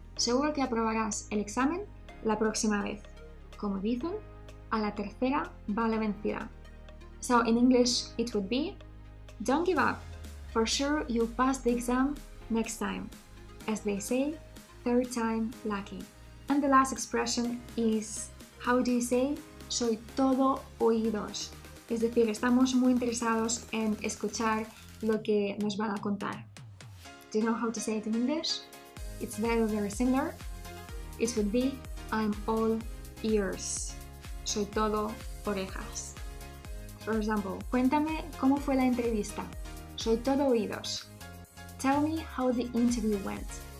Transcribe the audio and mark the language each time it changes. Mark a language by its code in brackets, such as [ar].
[es] Seguro que aprobarás el examen la próxima vez. Como dicen, a la tercera va la vencida. [en] So in English it would be, don't give up, for sure you'll pass the exam next time. As they say, third time lucky. And the last expression is, how do you say, [es] soy todo oídos. Es decir, estamos muy interesados en escuchar lo que nos van a contar. [en] Do you know how to say it in English? It's very, very similar. It would be, I'm all ears. [es] Soy todo orejas. [en] For example, [es] cuéntame cómo fue la entrevista. Soy todo oídos. [en] Tell me how the interview went.